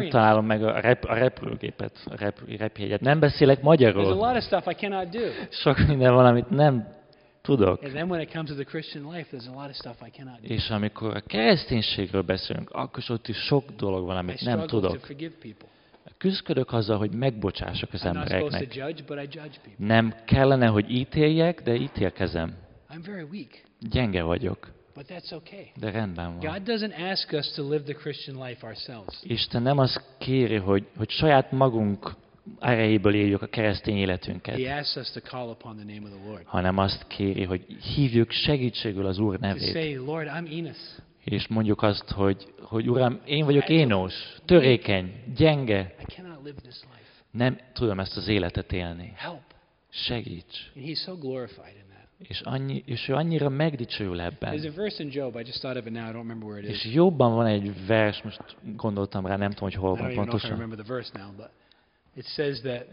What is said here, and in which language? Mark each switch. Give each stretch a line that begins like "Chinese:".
Hungarian: Nem találom meg a repülőgépet, repjegyet. Nem beszélek magyarul.
English: There's a lot of stuff I cannot do.
Hungarian: Sok minden van, amit nem tudok.
English: And then when it comes to the Christian life, there's a lot of stuff I cannot do.
Hungarian: És amikor a kereszténységről beszélünk, akkor ott is sok dolog van, amit nem tudok.
English: I struggle to forgive people.
Hungarian: Küzdök azzal, hogy megbocsássak az embereknek.
English: I'm not supposed to judge, but I judge people.
Hungarian: Nem kellene, hogy ítéljek, de ítélkezem.
English: I'm very weak.
Hungarian: Gyenge vagyok.
English: But that's okay.
Hungarian: De rendben van.
English: God doesn't ask us to live the Christian life ourselves.
Hungarian: Isten nem azt kéri, hogy saját magunk erejéből éljük a keresztény életünket.
English: He asks us to call upon the name of the Lord.
Hungarian: Hanem azt kéri, hogy hívjuk segítségül az Úr nevét.
English: To say, Lord, I'm Enos.
Hungarian: És mondjuk azt, hogy Uram, én vagyok Énos, törékeny, gyenge.
English: I cannot live this life.
Hungarian: Nem tudom ezt az életet élni.
English: Help.
Hungarian: Segíts.
English: And he's so glorified in that.
Hungarian: És ő annyira megdicsőül ebben.
English: There's a verse in Job, I just thought of it now, I don't remember where it is.
Hungarian: És Jobban van egy vers, most gondoltam rá, nem tudom, hogy hol van pontosan.
English: I don't remember the verse now, but it says that.